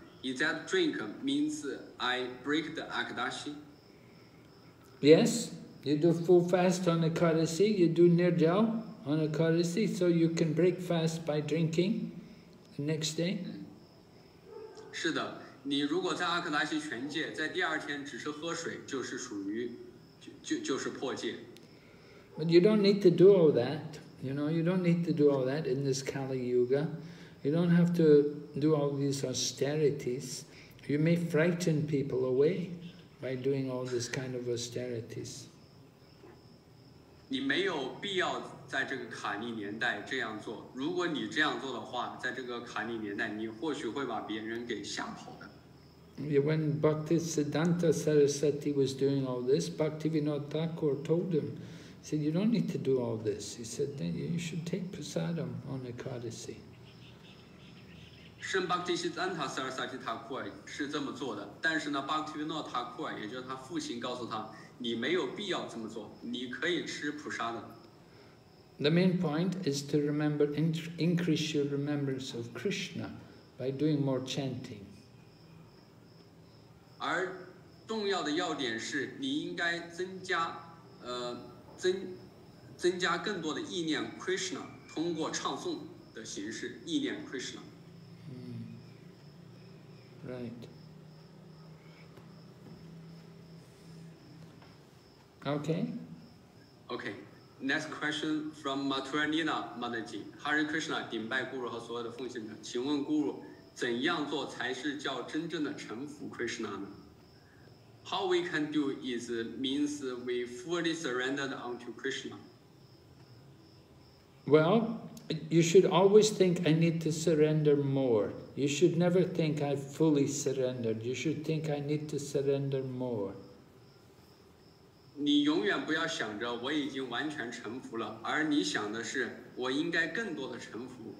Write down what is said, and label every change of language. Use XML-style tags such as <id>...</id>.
<en>Is that drink means I break the Akadashi? Yes, you do full fast on Akadashi, you do Nirjal on Akadashi, so you can break fast by drinking the next day.</en> <zh>是的，你如果在阿克达西全戒，在第二天只是喝水，就是属于，就是破戒。</zh> <en>But you don't need to do all that. You know, you don't need to do all that in this Kali Yuga. You don't have to do all these austerities. You may frighten people away by doing all this kind of austerities.</en> <zh>你没有必要在这个卡利年代这样做。如果你这样做的话，在这个卡利年代，你或许会把别人给吓跑的。</zh> <en>Yeah, when Bhaktisiddhanta Sarasvati was doing all this, Bhaktivinoda Thakur told him, said, "You don't need to do all this." He said, "Then you should take prasadam on Ekadasi."</en> <zh>圣巴克提西丹塔萨尔萨提塔库尔是这么做的，但是呢，巴克提维诺塔库尔，也就是他父亲，告诉他，你没有必要这么做，你可以吃普沙的。</zh> <en>The main point is to remember, increase your remembrance of Krishna by doing more chanting.</en> <zh>而重要的要点是你应该增加更多的意念 Krishna， 通过唱诵的形式意念 Krishna。</zh> <en>Right. Okay. Okay. Next question from Mathura Nina Manaji.</en> <zh>Hare Krishna, 顶拜 Guru 和所有的奉献者，请问 Guru， 怎样做才是叫真正的臣服 Krishna 呢？</zh> <en>How we can do is means we fully surrendered unto Krishna. Well, you should always think I need to surrender more. You should never think I fully surrendered. You should think I need to surrender more.</en> <zh>你永远不要想着我已经完全臣服了，而你想的是我应该更多的臣服。</zh>